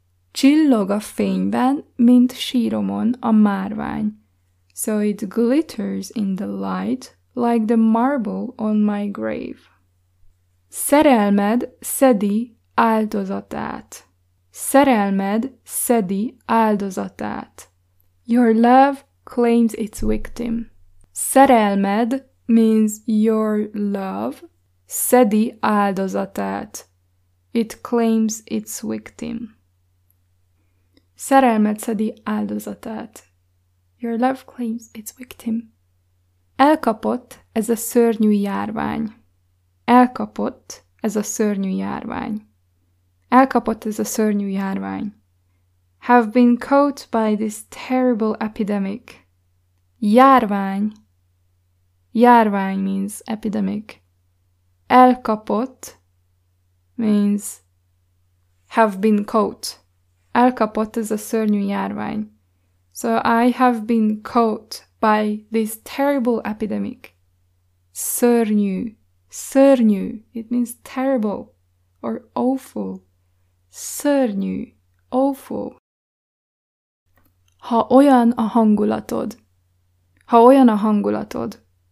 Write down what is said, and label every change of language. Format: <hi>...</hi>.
<hu>Csillog a fényben, mint síromon a márvány.</hu> <en>So it glitters in the light like the marble on my grave.</en> <hu>Szerelmed szedi áldozatát. Szerelmed szedi áldozatát.</hu> <en>Your love claims its victim. Szerelmed means your love.</en> <hu>Szedi áldozatát.</hu> <en>It claims its victim.</en> <hu>Szerelmed szedi áldozatát.</hu> <en>Your love claims its victim.</en> <hu>Elkapott ez a szörnyű járvány. Elkapott ez a szörnyű járvány. Elkapott ez a szörnyű járvány.</hu> <en>Have been caught by this terrible epidemic. Járvány. Járvány means epidemic. Elkapott means have been caught.</en> <hu>Elkapott ez a szörnyű járvány.</hu> <en>So I have been caught by this terrible epidemic. Szörnyű. Szörnyű. It means terrible or awful. Szörnyű. Awful.</en> <hu>Ha olyan a hangulatod. Ha olyan a hangulatod.</hu>